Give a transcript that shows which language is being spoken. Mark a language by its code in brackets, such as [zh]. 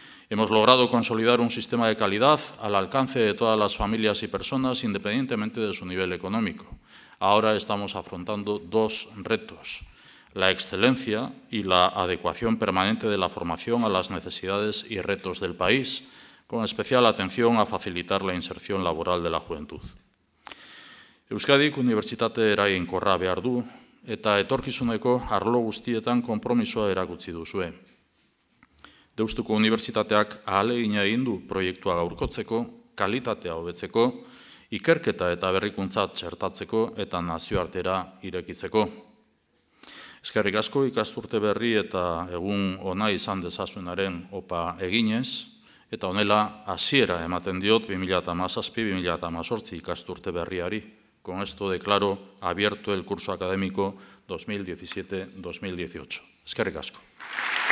[es] Hemos logrado consolidar un sistema de calidad al alcance de todas las familias y personas, independientemente de su nivel económico. Ahora estamos afrontando dos retos: la excelencia y la adecuación permanente de la formación a las necesidades y retos del país, con especial atención a facilitar la inserción laboral de la juventud. [eu] Euskadik unibertsitate eraginkorra behar du, eta etorkizuneko arlo guztietan konpromisoa erakutsi duzue. Deustuko unibertsitateak ahalegina egin du proiektua gaurkotzeko, kalitatea hobetzeko, ikerketa eta berrikuntza txertatzeko eta nazioartera irekitzeko. Eskerrik asko ikasturte berri eta egun ona izan dezazuenaren opa eginez, eta honela hasiera ematen diot 2017-2018 ikasturte berriari. [es] Con esto declaro abierto el curso académico 2017-2018. [eu] Eskerrik asko.